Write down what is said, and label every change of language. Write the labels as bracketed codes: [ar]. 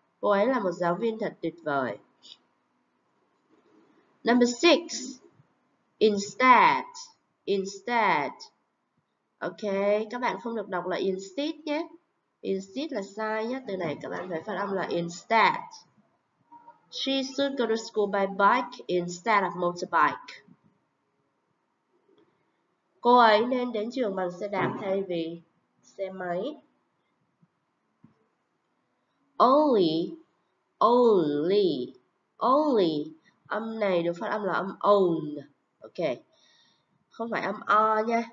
[vi] Cô ấy là một giáo viên thật tuyệt vời. [en] Number 6. Instead. Instead. [vi] Ok, các bạn không được đọc là instead nhé. Instead là sai nhé. Từ này các bạn phải phát âm là instead. [en] She should go to school by bike instead of motorbike. [vi] Cô ấy nên đến trường bằng xe đạp thay vì xe máy. [en] Only, only, only. [vi] Âm này được phát âm là âm own. Ok. Không phải âm o nha.